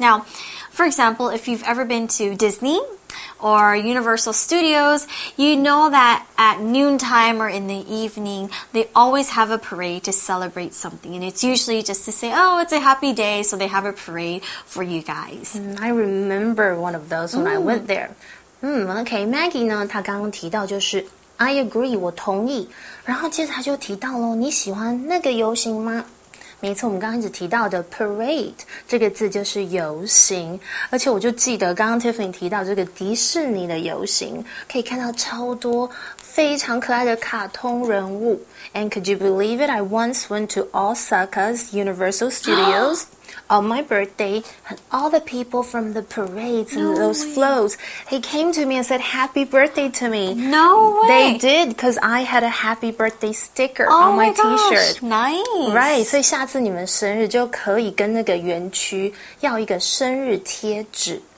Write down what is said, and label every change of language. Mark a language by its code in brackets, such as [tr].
[en] Now, for example, if you've ever been to Disney... or Universal Studios, you know that at noontime or in the evening, they always have a parade to celebrate something. And it's usually just to say, oh, it's a happy day, so they have a parade for you guys. I remember one of those when I went there. [zh] Okay, Maggie 呢，她刚刚提到就是 [en] I agree, [zh] 我同意。然后接着她就提到了，你喜欢那个游行吗？没错，我们刚刚一直提到的 parade 这个字就是游行，而且我就记得刚刚 Tiffany 提到这个迪士尼的游行，可以看到超多非常可爱的卡通人物。 [en] And could you believe it? I once went to Osaka's Universal Studios on my birthday, and all the people from the parades and those floats, they came to me and said happy birthday to me. No way! They did, because I had a happy birthday sticker on my t-shirt. Nice! [zh] Right, 所以下次你们生日就可以跟那个园区要一个生日贴纸。